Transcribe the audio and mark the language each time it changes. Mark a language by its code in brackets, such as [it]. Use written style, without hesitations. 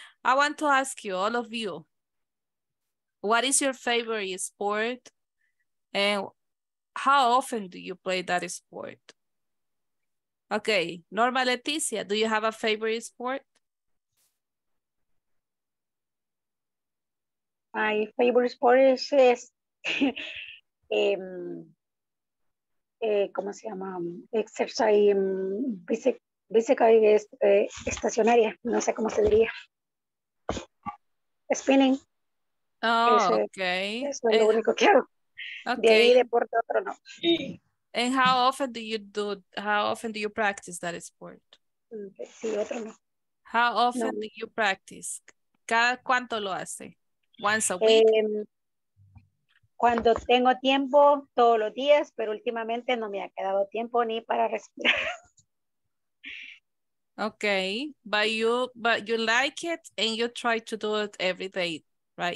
[en] I want to ask you, all of you, what is your favorite sport? And how often do you play that sport? Okay, Norma Leticia, do you have a favorite sport? My favorite sport is [es] ¿cómo se llama? [en] Exercise, [es] Bicycle es estacionaria, no sé cómo se diría. [en] Spinning. [es] Oh, eso, okay. Eso es lo único que hago. Okay. De ahí deporte otro no. [en] And how often do you do, how often do you practice that sport? [es] Sí, otro no. [en] How often no. do you practice? [es] ¿Cada cuánto lo hace? [en] Once a week? [es] Cuando tengo tiempo, todos los días, pero últimamente no me ha quedado tiempo ni para respirar. [en] Okay, but you like it and you try to do it every day, right?